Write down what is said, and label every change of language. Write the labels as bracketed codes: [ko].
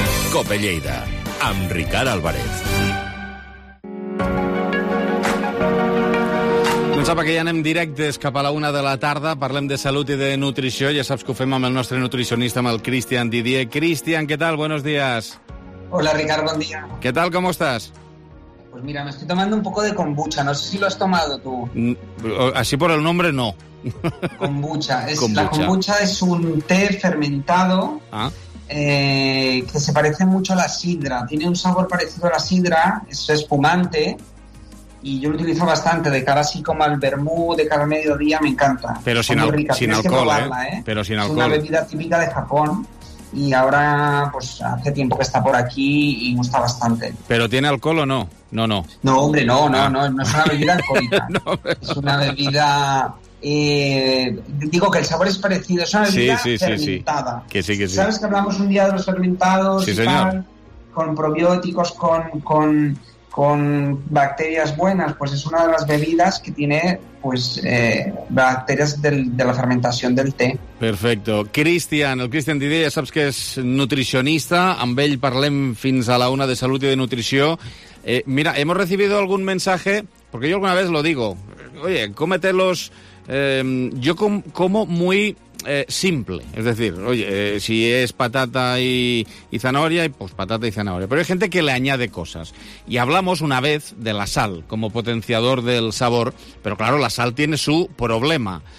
[ca] Cope Lleida, amb Ricard Álvarez. Ja sap que ja anem directes cap a la una de la tarda. Parlem de salut i de nutrició. Ja saps que ho fem amb el nostre nutricionista, amb el Cristian Didier. Cristian, què tal? [es] Buenos días. [ca] Hola, Ricard, bon dia. Què tal? [es] ¿Cómo estás? Pues mira, me estoy tomando un poco de kombucha. No sé si lo has tomado tú. Así por el nombre, no. Kombucha. Kombucha. La kombucha es un té fermentado que se parece mucho a la sidra. Tiene un sabor parecido a la sidra. Es espumante. Y yo lo utilizo bastante, de cara así como al vermú, de cara al mediodía, me encanta. Pero sin, sin alcohol, probarla, Pero sin alcohol. Es una bebida típica de Japón y ahora, pues hace tiempo que está por aquí y gusta bastante. ¿Pero tiene alcohol o no? No, no. No, hombre, no, no, no, no es una bebida alcohólica. No, pero... Es una bebida... digo que el sabor es parecido, es una bebida fermentada. Sí. ¿Sabes que hablamos un día de los fermentados? Sí, señor. Con probióticos, con bacterias buenas, pues es una de las bebidas que tiene, pues, bacterias de la fermentación del té. Perfecto. [ca] Cristian, el Cristian Didier, ja saps que és nutricionista, amb ell parlem fins a la una de salut i de nutrició. [es] Mira, hemos recibido algún mensaje, porque yo alguna vez lo digo, oye, cómetelos, yo como muy... simple, es decir, oye, si es patata y zanahoria, pues patata y zanahoria. Pero hay gente que le añade cosas. Y hablamos una vez de la sal como potenciador del sabor, pero claro, la sal tiene su problema.